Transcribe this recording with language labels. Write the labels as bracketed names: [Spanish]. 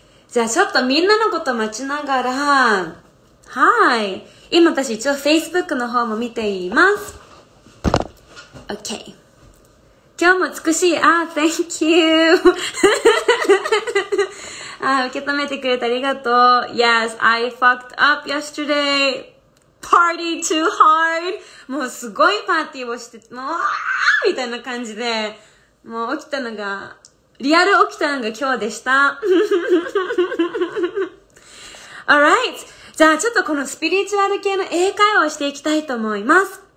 [Japanese] じゃあちょっとみんなのこと待ちながら。 [English] Hi. [Japanese] 今私一応 Facebook の方も見ています。 OK。 今日も美しい。あ、 [English] Thank you. [Japanese] あ、受け止めてくれてありがとう。 [English] Yes, I fucked up yesterday. Party too hard. [Japanese] もうすごいパーティーをして、もう、みたいな感じで、もう起きたのが、リアル起きたのが今日でした。 [English] Alright. [Japanese] じゃあちょっとこのスピリチュアル系の英会話をしていきたいと思います。